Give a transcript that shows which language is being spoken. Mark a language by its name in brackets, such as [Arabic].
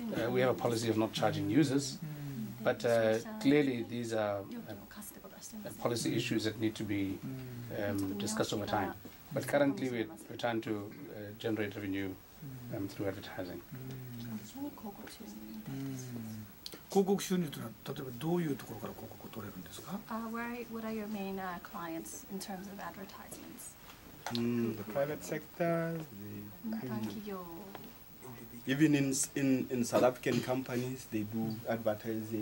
[English] We have a policy of not charging users, but clearly these are policy issues that need to be discussed over time. But currently we're trying to generate revenue through advertising. [Japanese] 広告収入というのは例えばどういうところから広告を取れるんですか？ [English] What are your main clients in terms of advertisements? The private sector, the [Japanese] 民間企業。 [English] Even in South African companies, they do advertising.